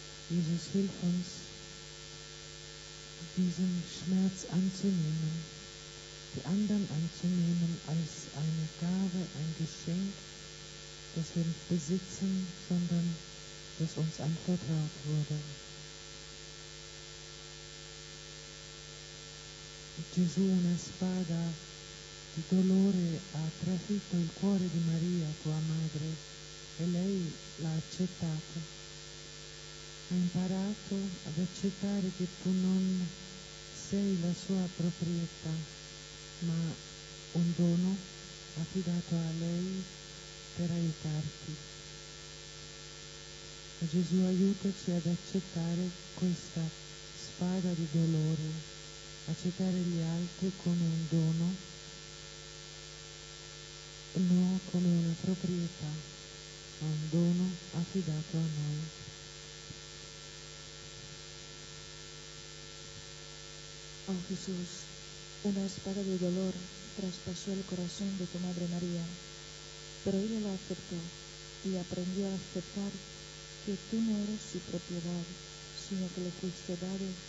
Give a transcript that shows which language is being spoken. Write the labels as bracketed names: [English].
[German] Jesus, hilf uns, diesen Schmerz anzunehmen, die anderen anzunehmen als eine Gabe, ein Geschenk, das wir nicht besitzen, sondern das uns anvertraut wurde. [Italian] Gesù, una spada di dolore ha trafitto il cuore di Maria, tua madre, e lei l'ha accettato. Ha imparato ad accettare che tu non sei la sua proprietà, ma un dono affidato a lei per aiutarti. Gesù, aiutaci ad accettare questa spada di dolore, accettare gli altri come un dono, non come una proprietà, ma un dono affidato a noi. [Spanish] Oh Gesù, una spada de dolor traspasó el corazón de tu madre María, pero ella la aceptó y aprendió a aceptar que tú no eres su propiedad, sino que le fuiste dado